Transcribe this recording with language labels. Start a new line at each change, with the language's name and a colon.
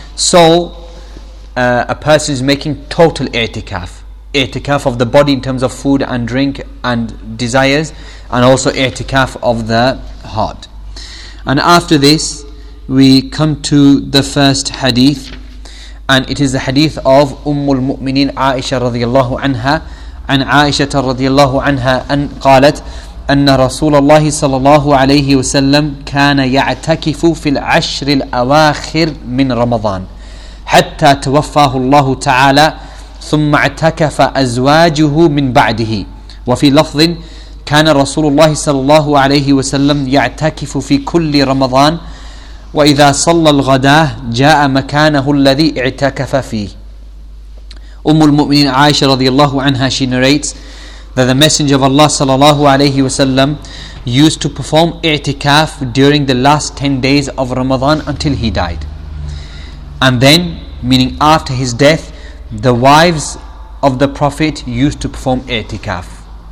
English: So a person is making total i'tikaf of the body in terms of food and drink and desires, and also i'tikaf of the heart. And after this we come to the first hadith, and it is the hadith of Ummul Mu'mineen Aisha radiyallahu anha.
Arabic: عن عائشة رضي الله عنها أن قالت أن رسول الله صلى الله عليه وسلم كان يعتكف في العشر الأواخر من رمضان حتى توفاه الله تعالى ثم اعتكف أزواجه من بعده. وفي لفظ كان رسول الله صلى الله عليه وسلم يعتكف في كل رمضان وإذا صلى الغداة جاء مكانه الذي اعتكف فيه.
English: Umm al-Mu'minin Aisha radiyallahu anha, she narrates that the Messenger of Allah sallallahu alayhi wa sallam used to perform i'tikaf during the last 10 days of Ramadan until he died. And then, meaning after his death, the wives of the Prophet used to perform i'tikaf.